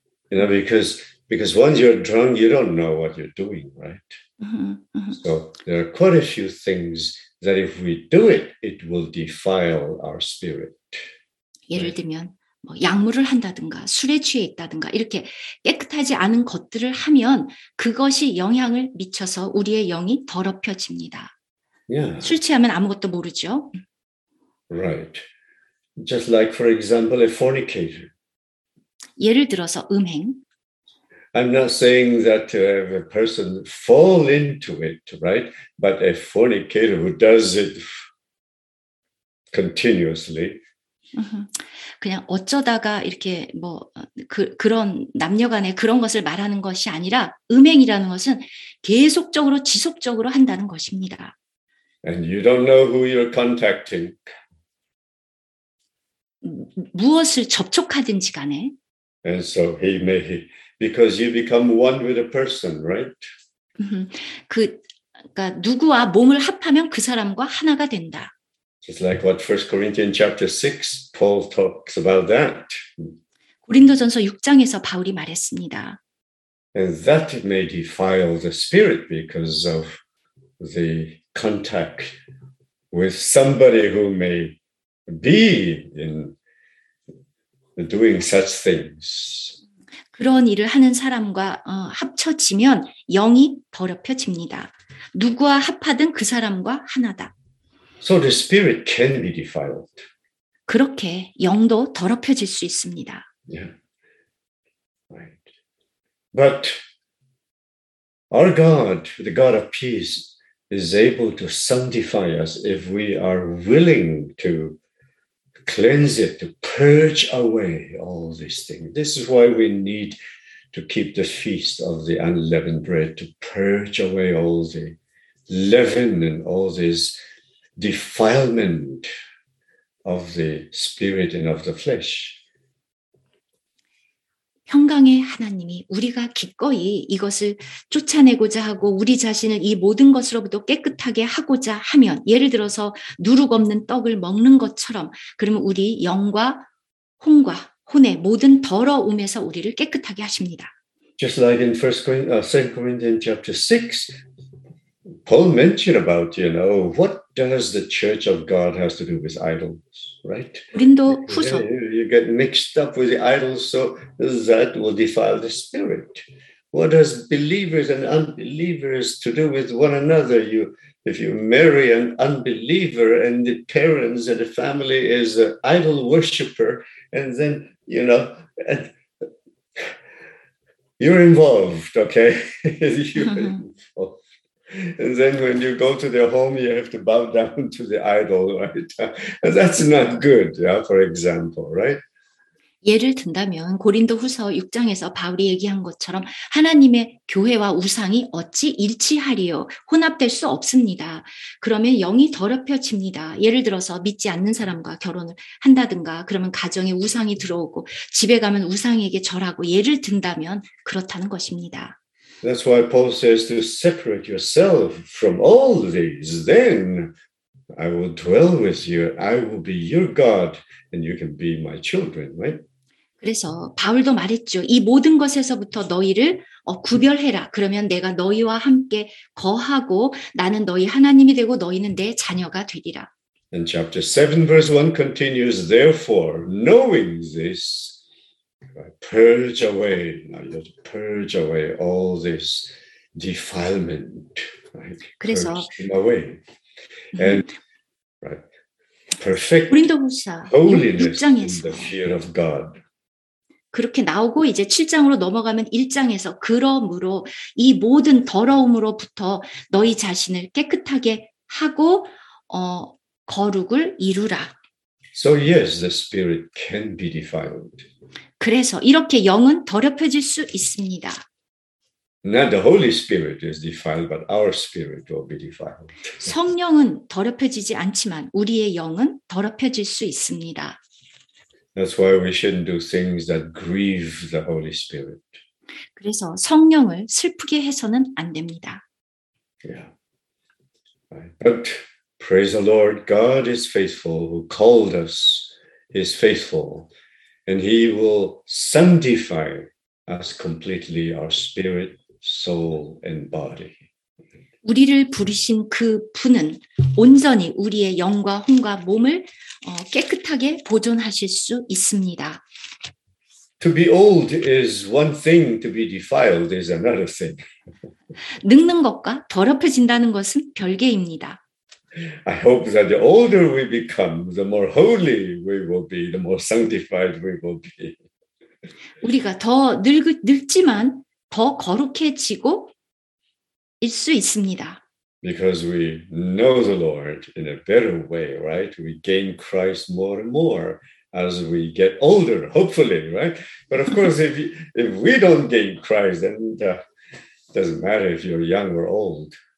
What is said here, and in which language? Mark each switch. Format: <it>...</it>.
<en>You know, because once you're drunk, you don't know what you're doing, right? Mm-hmm. So there are quite a few things that if we do it, it will defile our spirit.</en> <ko>예를 들면 뭐 약물을 한다든가 술에 취해 있다든가 이렇게 깨끗하지 않은 것들을 하면 그것이 영향을 미쳐서 우리의 영이 더럽혀집니다.</ko> <en>Yeah.</en> <ko>술 취하면 아무것도 모르죠.</ko> <en>Right. Just like, for example, a fornicator.</en> <ko>예를 들어서 음행.</ko> <en>I'm not saying that a person fall into it, right? But a fornicator who does it continuously.</en> <ko>그냥 어쩌다가 이렇게 뭐 그런 남녀간의 그런 것을 말하는 것이 아니라 음행이라는 것은 계속적으로 지속적으로 한다는 것입니다.</ko> <en>And you don't know who you're contacting.</en> <ko>무엇을 접촉하든지 간에.</ko> <en>And so he may, because you become one with a person, right?</en> <ko>그러니까 누구와 몸을 합하면 그 사람과 하나가 된다.</ko> <en>It's like what 1 Corinthians chapter 6, Paul talks about that.</en> <ko>고린도전서 6장에서 바울이 말했습니다.</ko> <en>And that may defile the spirit because of the contact with somebody who may be in doing such things.</en> <ko>그런 일을 하는 사람과 합쳐지면 영이 더럽혀집니다. 누구와 합하든 그 사람과 하나다.</ko> <en>So the spirit can be defiled.</en> <ko>그렇게 영도 더럽혀질 수 있습니다.</ko> <en>Yeah. Right. But our God, the God of peace, is able to sanctify us if we are willing to cleanse it, to purge away all these things. This is why we need to keep the feast of the unleavened bread, to purge away all the leaven and all these defilement of the spirit and of the flesh.</en> <ko>평강의 하나님이 우리가 기꺼이 이것을 쫓아내고자 하고 우리 자신을 이 모든 것으로부터 깨끗하게 하고자 하면 예를 들어서 누룩 없는 떡을 먹는 것처럼 그러면 우리 영과 혼과 혼의 모든 더러움에서 우리를 깨끗하게 하십니다.</ko> <en>Just like in 2 Corinthians chapter 6, Paul mentioned about, you know, what does the church of God has to do with idols, right?</en> <ko>고린도 후서.</ko> <en>You get mixed up with the idols, so that will defile the spirit. What does believers and unbelievers to do with one another? If you marry an unbeliever and the parents and the family is an idol worshiper, and then, you know, and you're involved, okay? You're involved. And then when you go to their home, you have to bow down to the idol, right? And that's not good, yeah, for example, right?</en> <ko>예를 든다면 고린도 후서 6장에서 바울이 얘기한 것처럼 하나님의 교회와 우상이 어찌 일치하리요? 혼합될 수 없습니다. 그러면 영이 더럽혀집니다. 예를 들어서 믿지 않는 사람과 결혼을 한다든가 그러면 가정에 우상이 들어오고 집에 가면 우상에게 절하고 예를 든다면 그렇다는 것입니다.</ko> <en>That's why Paul says to separate yourself from all these. Then I will dwell with you. I will be your God, and you can be my children, right?</en> <ko>그래서 바울도 말했죠. 이 모든 것에서부터 너희를 구별해라. 그러면 내가 너희와 함께 거하고 나는 너희 하나님이 되고 너희는 내 자녀가 되리라.</ko> <en>And chapter 7, verse 1 continues, therefore, knowing this, purge away, purge away all this defilement. Right?</en> <ko>그래서,</ko> <en>purge them away. And right, perfect</en> <ko>고린도후서</ko> <en>holiness</en> <ko>6장에서,</ko> <en>in the fear of God.</en> <ko>그렇게 나오고 이제 7장으로 넘어가면 1장에서 그러므로 이 모든 더러움으로부터 너희 자신을 깨끗하게 하고 거룩을 이루라.</ko> <en>So yes, the spirit can be defiled.</en> <ko>그래서 이렇게 영은 더럽혀질 수 있습니다.</ko> <en>Not the Holy Spirit is defiled, but our spirit will be defiled.</en> <ko>성령은 더럽혀지지 않지만 우리의 영은 더럽혀질 수 있습니다.</ko> <en>That's why we shouldn't do things that grieve the Holy Spirit.</en> <ko>그래서 성령을 슬프게 해서는 안 됩니다.</ko> <en>Yeah. But praise the Lord, God is faithful, who called us, is faithful. And he will sanctify us completely, our spirit, soul, and body.</en> <ko>우리를 부르신 그 분은 온전히 우리의 영과 혼과 몸을 깨끗하게 보존하실 수 있습니다.</ko> <en>To be old is one thing, to be defiled is another thing.</en> <ko>늙는 것과 더럽혀진다는 것은 별개입니다.</ko> <en>I hope that the older we become, the more holy we will be, the more sanctified we will be.</en> <ko>우리가 더 늙지만 더 거룩해지고 일 수 있습니다.</ko> <en>Because we know the Lord in a better way, right? We gain Christ more and more as we get older, hopefully, right? But of course, if we don't gain Christ, then it doesn't matter if you're young or old.</en>